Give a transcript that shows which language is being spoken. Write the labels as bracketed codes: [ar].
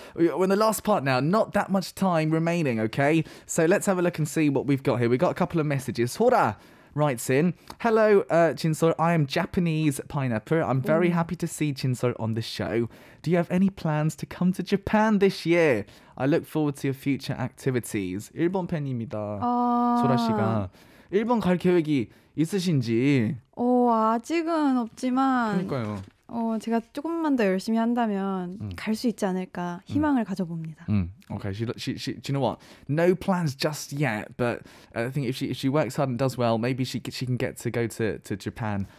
[en] We're in the last part now. Not that much time remaining, okay? So let's have a look and see what we've got here. We've got a couple of messages. Hora writes in, hello, Jin-sol. I am Japanese pineapple. I'm very happy to see Jin-sol on the show. Do you have any plans to come to Japan this year? I look forward to your future activities. [ko] 일본 팬입니다. 소라 씨가 일본 갈 계획이 있으신지? 아직은 없지만. 그러니까요. 제가 조금만 더 열심히 한다면 갈 수 있지 않을까 희망을 가져봅니다. [en] Okay, she, do you know what? No plans just yet, but I think if she works hard and does well, maybe she can get to go to Japan.